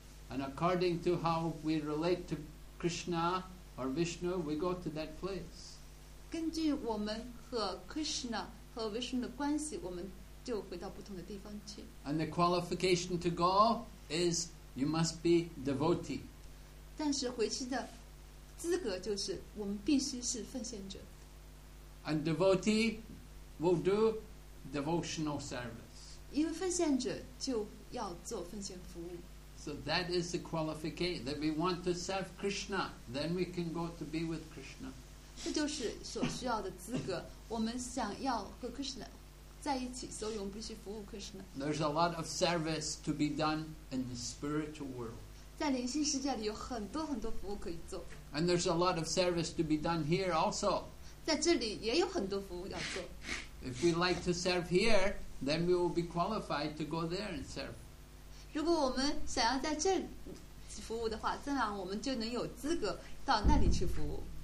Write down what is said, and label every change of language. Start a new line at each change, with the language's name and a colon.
English: And according to how we relate to Krishna or Vishnu, we go to that place.
Chinese: 根据我们和 Krishna 和 Vishnu 的关系，我们就回到不同的地方去。
English: And the qualification to go is you must be devotee.
Chinese: 但是回去的资格就是我们必须是奉献者。
English: And devotee will do devotional service.
Chinese: 因为奉献者就要做奉献服务。
English: So that is the qualification that we want to serve Krishna. Then we can go to be with Krishna.
Chinese: 这就是所需要的资格。我们想要和 Krishna 在一起，所以我们必须服务 Krishna.
English: There's a lot of service to be done in the spiritual world.
Chinese: 在灵性世界里有很多很多服务可以做。
English: And there's a lot of service to be done here also.
Chinese: 在这里也有很多服务要做。
English: If we like to serve here, then we will be qualified to go there and serve.
Chinese: 如果我们想要在这里服务的话，自然我们就能有资格到那里去服务。